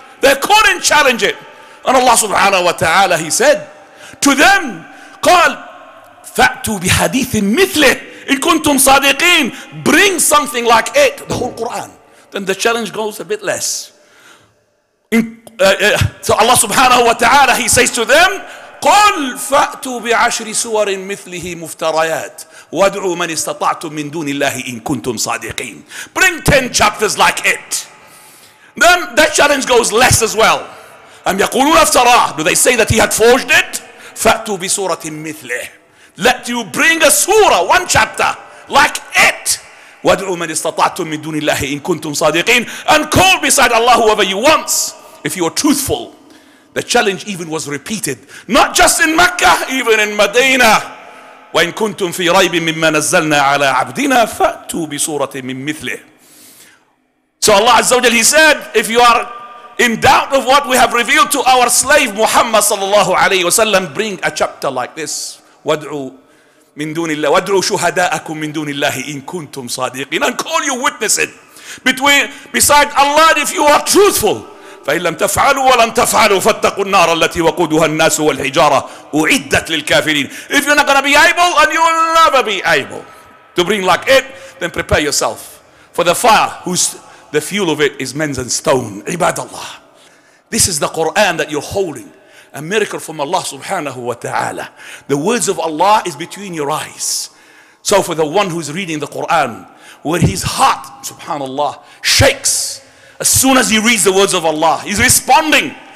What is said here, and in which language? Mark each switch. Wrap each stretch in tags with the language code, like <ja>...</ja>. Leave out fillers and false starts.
<en>They couldn't challenge it. And Allah subhanahu wa ta'ala, he said to them,</en> <ar>قال فأتوا بحديث مثله إن كنتم صادقين.</ar> <en>Bring something like it, the whole Quran. Then the challenge goes a bit less. So Allah subhanahu wa ta'ala, he says to them,</en> <ar>قُلْ فَأْتُوا بِعَشْرِ سُوَرٍ مِثْلِهِ مُفْتَرَيَاتٍ وَادْعُوا مَنِ اسْتَطَعْتُمْ مِنْ دُونِ اللَّهِ إِن كُنْتُمْ صَادِقِينَ.</ar> <en>Bring 10 chapters like it. Then that challenge goes less as well.</en> <ar>أَمْ يَقُولُونَ افْتَرَاهُ.</ar> <en>Do they say that he had forged it?</en> <ar>فَأْتُوا بِسُورَةٍ مِثْلِهِ.</ar> <en>Let you bring a surah, one chapter, like it.</en> <ar>وَادْعُوا مَنِ اسْتَطَعْتُمْ مِنْ دُونِ اللَّهِ إِن كُنْتُمْ صَادِقِينَ.</ar> <en>And call beside Allah whoever you want, if you are truthful. The challenge even was repeated, not just in Mecca, even in Medina.</en> <ar>وَإِنْ كُنْتُمْ فِي رَيْبٍ مِمَّا نَزَّلْنَا عَلَىٰ عَبْدِنَا فَأْتُوا بِسُورَةٍ مِنْ مِثْلِهِ.</ar> <en>So Allah Azza wa Jal, he said, if you are in doubt of what we have revealed to our slave Muhammad sallallahu alayhi wasallam, bring a chapter like this.</en> <ar>وَادْعُوا مِنْ دُونِ اللَّهِ وَادْعُوا شُهَدَاءَكُمْ مِنْ دُونِ اللَّهِ إِنْ كُنْتُمْ صَادِقِينَ.</ar> <en>And call your witnesses between, beside Allah, if you are truthful.</en> <ar>فإن لم تفعلوا ولن تفعلوا فاتقوا النار التي وقودها الناس والحجارة أعدت للكافرين.</ar> <en>If you're not going to be able, and you will never be able to bring like it, then prepare yourself for the fire whose the fuel of it is men and stone. Ibadallah, this is the Quran that you're holding, a miracle from Allah subhanahu wa ta'ala. The words of Allah is between your eyes. So for the one who's reading the Quran, where his heart, subhanallah, shakes as soon as he reads the words of Allah, he's responding.</en>